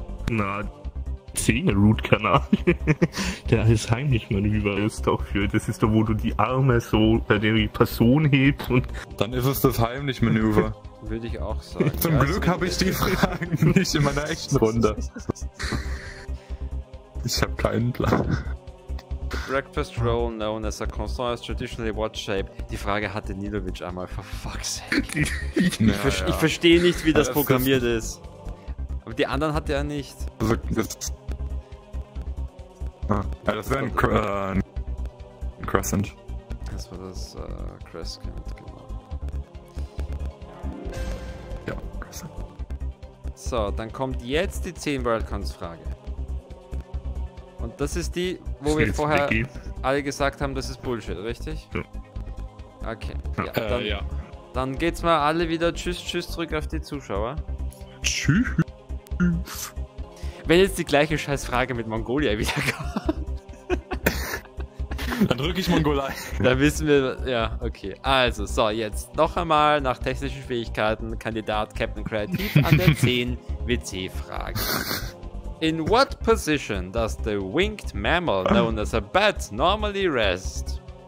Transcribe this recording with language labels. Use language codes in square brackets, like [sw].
[de] Na, zehn Root Canal. Der ist Heimlich Manöver. Das ist doch, wo du die Arme so bei der Person hebst und. Dann ist es das Heimlich Manöver. Würde ich auch sagen. Zum Glück habe ich die Fragen nicht in meiner echten Runde. Ich habe keinen Plan. [en] Breakfast Roll, known as a croissant, is traditionally what shape? [de] Die Frage hatte Nilovic einmal, [en] for fuck's sake. [de] Ich verstehe nicht, wie das programmiert ist. Aber die anderen hat er nicht. Also, das wäre ein Crescent. Das war das Crescent, genau. Ja, Crescent. So, dann kommt jetzt die 10 Worldcons Frage. Und das ist die, wo wir vorher alle gesagt haben, das ist Bullshit, richtig? Ja. Okay. Ja, dann, ja. Dann geht's mal alle wieder tschüss zurück auf die Zuschauer. Tschüss. Wenn jetzt die gleiche Scheißfrage mit Mongolia wiederkommt. Dann drück ich Mongolei. Dann wissen wir, ja, okay. Also, so, jetzt noch einmal nach technischen Fähigkeiten Kandidat Captain Creative an der 10 WC-Frage. [en] In what position does the winged mammal known as a bat normally rest?